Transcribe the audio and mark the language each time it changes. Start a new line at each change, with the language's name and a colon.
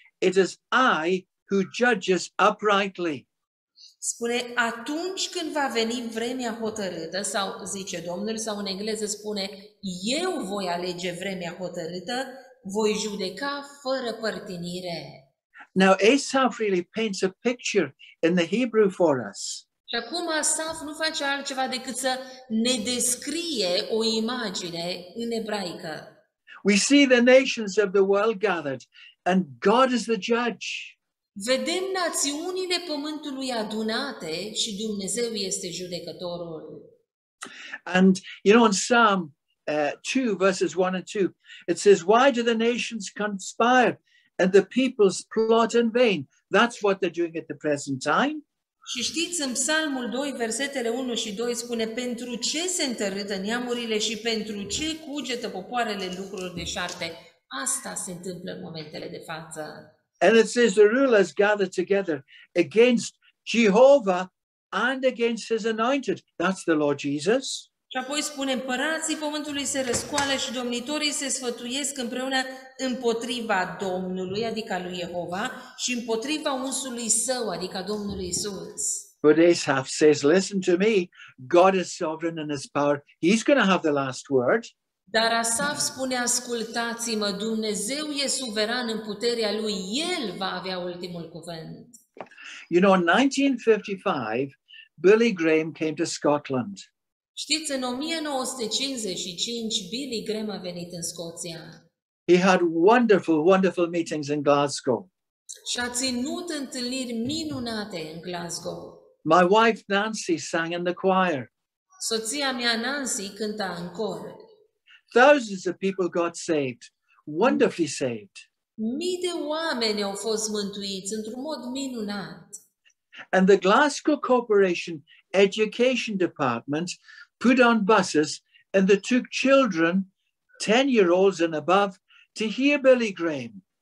English: It is I who judges uprightly.
Romanian: Spune, atunci când va veni vremea hotărâtă, sau zice Domnul, sau în engleză spune, eu voi alege vremea hotărâtă, voi judeca fără părtinire.
English: Now Asaf really paints a picture in the Hebrew for us.
Romanian: Și acum Asaf nu face altceva decât să ne descrie o imagine în ebraică.
English: We see the nations of the world gathered and God is the judge.
Romanian: Vedem națiunile pământului adunate și Dumnezeu este judecătorul.
English: And you know, in Psalm 2 verses 1 and 2, it says, why do the nations conspire and the peoples plot in vain? That's what they're doing at the present time.
Romanian: Și știți, în Psalmul 2, versetele 1 și 2 spune, pentru ce se întărâtă neamurile și pentru ce cugetă popoarele lucruri deșarte? Asta se întâmplă în momentele de față.
English: And it says the rulers gather together against Jehovah and against his anointed. That's the Lord Jesus.
Romanian: Și apoi spune, împărații pământului se răscoală și domnitorii se sfătuiesc împreună împotriva Domnului, adică lui Jehova, și împotriva unsului său, adică Domnului Isus.
English: But Asaph says, listen to me, God is sovereign in his power. He's going to have the last word.
Romanian: Dar Asaf spune, ascultați-mă, Dumnezeu e suveran în puterea lui, El va avea ultimul cuvânt.
English: You know, in 1955, Billy Graham came to Scotland.
Romanian: Știți, în 1955, Billy Graham a venit în Scoția.
English: He had wonderful, wonderful meetings in Glasgow.
Romanian: Și-a ținut întâlniri minunate în Glasgow.
English: My wife Nancy sang in the choir.
Romanian: Soția mea Nancy cânta în cor.
English: Thousands of people got saved, wonderfully saved.
Romanian: Mii de oameni au fost mântuiți într-un mod minunat.
English: And the Glasgow Corporation Education Department put on buses and they took children, 10-year-olds and above, to hear Billy Graham.